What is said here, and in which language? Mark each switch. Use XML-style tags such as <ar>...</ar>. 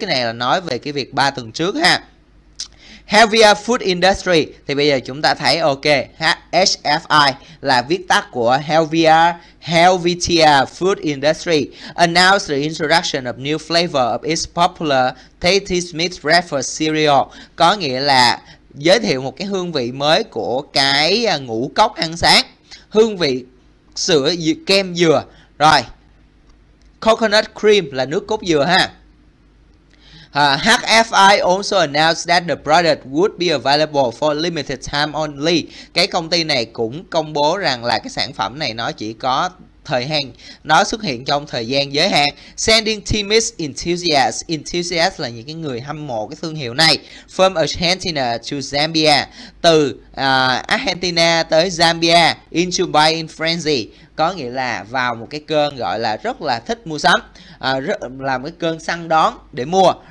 <vi>Cái này là nói về cái việc 3 tuần trước ha. Heavier Food Industry thì bây giờ chúng ta thấy ok, HFI là viết tắt của Helvetia Food Industry</vi> <en>announced the introduction of new flavor of its popular Tasty Smith Breakfast Cereal,</en> <vi>có nghĩa là giới thiệu một cái hương vị mới của cái ngũ cốc ăn sáng, hương vị sữa kem dừa. Rồi, coconut cream là nước cốt dừa ha.</vi> <en>HFI also announced that the product would be available for limited time only.</en> <vi>Cái công ty này cũng công bố rằng là cái sản phẩm này nó chỉ có thời hạn, nó xuất hiện trong thời gian giới hạn.</vi> <en>Sending Timmy's enthusiasts,</en> <vi>là những cái người hâm mộ cái thương hiệu này,</vi> <en>from Argentina to Zambia,</en> <vi>từ Argentina tới Zambia,</vi> <en>into buying frenzy,</en> <vi>có nghĩa là vào một cái cơn gọi là rất là thích mua sắm, là một cái cơn săn đón để mua.</vi>